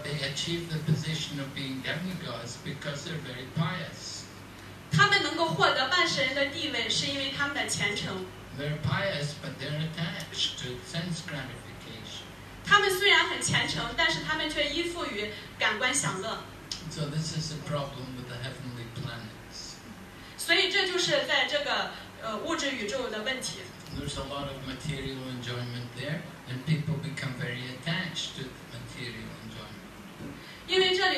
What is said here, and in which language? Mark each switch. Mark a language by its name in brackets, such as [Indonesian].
[English] they achieve the position of being demigods because they're very pious. [Chinese] 他们能够获得半神的地位是因为他们的虔诚。 [English] They're pious, but they're attached to sense gratification. [Chinese] 他们虽然很虔诚，但是他们却依附于感官享乐。 [English] So this is the problem with the heavenly planets. [Chinese] 所以这就是在这个物质宇宙的问题。 [English] There's a lot of material enjoyment there, and people become very attached to the material enjoyment.